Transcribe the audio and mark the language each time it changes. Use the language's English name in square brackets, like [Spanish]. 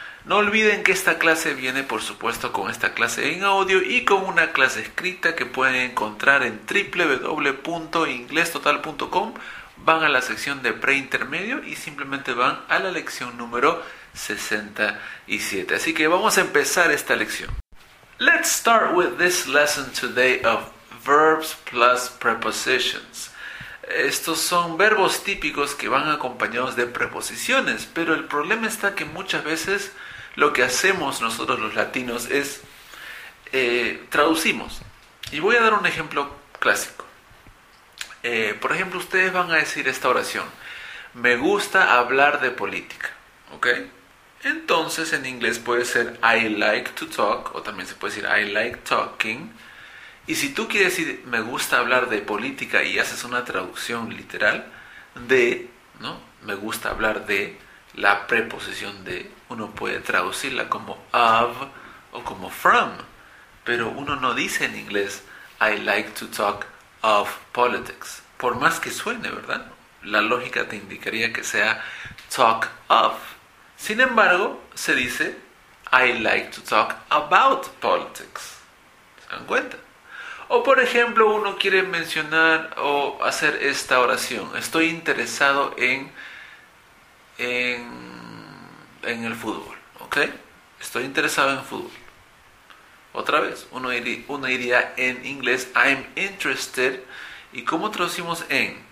[Spanish] No olviden que esta clase viene, por supuesto, con esta clase en audio y con una clase escrita que pueden encontrar en www.inglestotal.com. Van a la sección de preintermedio y simplemente van a la lección número 67. Así que vamos a empezar esta lección. [English] Let's start with this lesson today of verbs plus prepositions. [Spanish] Estos son verbos típicos que van acompañados de preposiciones, pero el problema está que muchas veces lo que hacemos nosotros los latinos es traducimos. Y voy a dar un ejemplo clásico. Por ejemplo, ustedes van a decir esta oración: me gusta hablar de política. ¿Ok? Entonces en inglés puede ser [English] I like to talk, [Spanish] o también se puede decir [English] I like talking. [Spanish] Y si tú quieres decir me gusta hablar de política y haces una traducción literal de, ¿no? Me gusta hablar de la preposición de, uno puede traducirla como of o como from, pero uno no dice en inglés [English] I like to talk of politics, [Spanish] por más que suene, ¿verdad? La lógica te indicaría que sea talk of. Sin embargo, se dice [English] I like to talk about politics. [Spanish] ¿Se dan cuenta? O por ejemplo, uno quiere mencionar o hacer esta oración: estoy interesado en el fútbol, ¿ok? Estoy interesado en fútbol. Otra vez, uno diría en inglés [English] I'm interested, [Spanish] y ¿cómo traducimos en?